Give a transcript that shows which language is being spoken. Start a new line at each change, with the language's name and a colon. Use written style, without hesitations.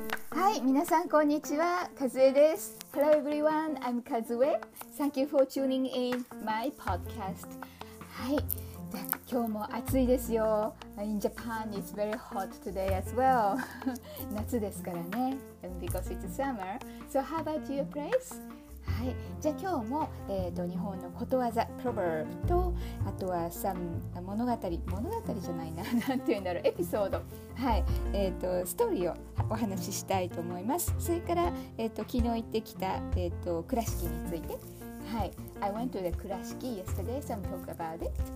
Japanese: Hi, 皆さんこんにちは、かずえです。
English: Hello everyone, I'm Kazue. Thank you for tuning in my podcast.
Japanese: はい、今日も暑いですよ。
English: In Japan, it's very hot today as well.
Japanese: 夏ですからね。
English: And because it's summer. So how about your place?
Japanese: はい、じゃあ今日も、日本のことわざ Proverb とあとは物語じゃないな、なんていうんだろう、エピソード、はい、ストーリーをお話ししたいと思います。それから、昨日行ってきた、倉敷について、はい、
English: I went to the 倉敷 yesterday, so I'll talk about it.